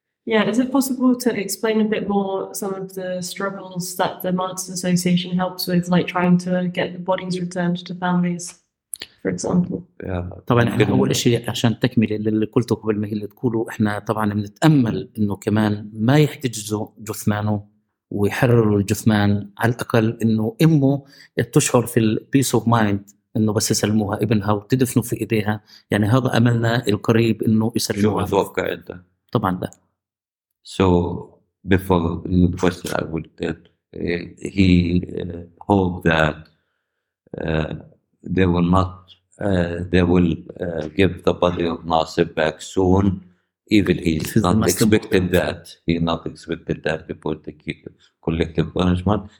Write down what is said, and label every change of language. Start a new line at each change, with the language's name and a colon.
English: Yeah, is it possible to explain a bit more some of the struggles that the Martyrs Association helps with, like trying to get the bodies returned to families, for example? Yeah.
Arabic: طبعا اول شيء عشان تكمل اللي قلته قبل ما هي اللي تقوله، احنا طبعا بنتامل انه كمان ما يحتجزوا جثمانه ويحرروا الجثمان، على الاقل انه امه تشعر في
English: البيس of mind
Arabic: انه بس يسلموها ابنها وتدفنوا في ايديها، يعني هذا املنا القريب انه يسلموها. شو اتوقع انت؟ طبعا لا.
English: So before the question I would get, he hoped that they will give the body of Nasir back soon. Even he's not expected that. He not expected that before the collective punishment.